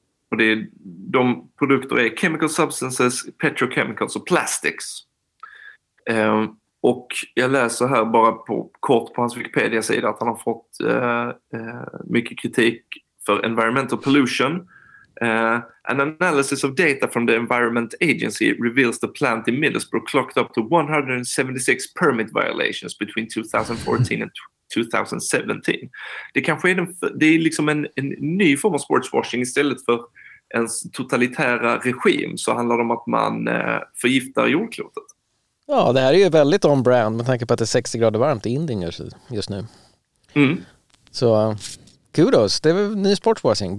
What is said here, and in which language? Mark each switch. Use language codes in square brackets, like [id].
[sv] Och det är, de produkter är [en] chemical substances, petrochemicals [sv] och plastics. Och jag läser här bara på kort på hans Wikipedia-sida att han har fått mycket kritik för [en] environmental pollution. An analysis of data from the Environment Agency reveals the plant in Middlesbrough clocked up to 176 permit violations between 2014 and 2017. [sv] Det kanske är det är liksom en ny form av sportswashing. Istället för en totalitära regim så handlar det om att man förgiftar jordklotet. Ja, det här är ju väldigt [en] on brand [sv] med tanke på att det är 60 grader varmt i Indien just nu. Mm. Så kudos, det är ny sportswashing.